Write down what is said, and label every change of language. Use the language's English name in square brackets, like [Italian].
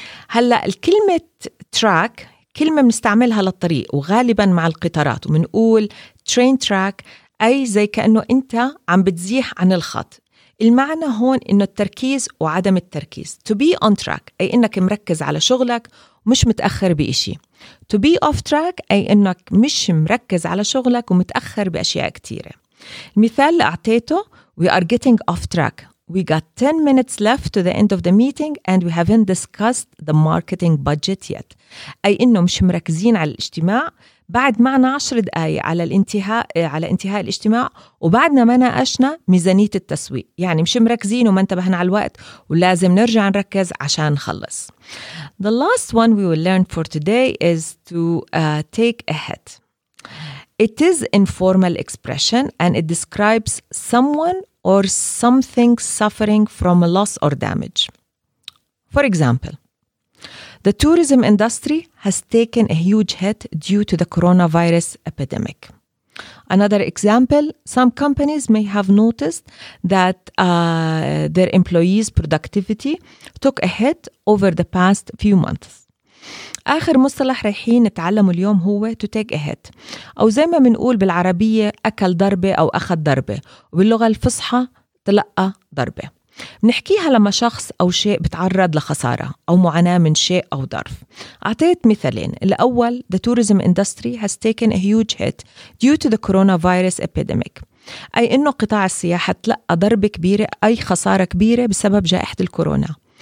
[Arabic] هلأ الكلمة track كلمة بنستعملها للطريق وغالبا مع القطارات ومنقول [English] train track، [Arabic] أي زي كأنه أنت عم بتزيح عن الخط. المعنى هون إنه التركيز وعدم التركيز. [English] To be on track [Arabic] أي إنك مركز على شغلك ومش متأخر بإشي. [English] To be off track [Arabic] أي إنك مش مركز على شغلك ومتأخر بأشياء كتيرة. المثال اللي أعطيته [English] we are getting off track. We got 10 minutes left to the end of the meeting and we haven't discussed the marketing budget yet. [Arabic] أي إنه مش مركزين على الاجتماع، بعد معنا 10 دقايق على انتهاء الاجتماع وبعدنا ما ناقشنا ميزانية التسويق، يعني مش مركزين وما انتبهنا على الوقت ولازم نرجع نركز عشان نخلص. [English] The last one we will learn for today is to take a hit. It is an informal expression and it describes someone or something suffering from a loss or damage. For example, the tourism industry has taken a huge hit due to the coronavirus epidemic. Another example, some companies may have noticed that their employees' productivity took a hit over the past few months. [Arabic] آخر مصطلح رايحين نتعلمه اليوم هو [English] to take a hit، [Arabic] أو زي ما منقول بالعربية أكل ضربة أو أخذ ضربة، وباللغة الفصحى تلقى ضربة. بنحكيها لما شخص أو شيء بتعرض لخسارة أو معاناة من شيء أو ظرف. أعطيت مثالين، الأول [English] the tourism industry has taken a huge hit due to the coronavirus epidemic، [Arabic] أي إنه قطاع السياحة تلقى ضربة كبيرة أي خسارة كبيرة بسبب جائحة الكورونا.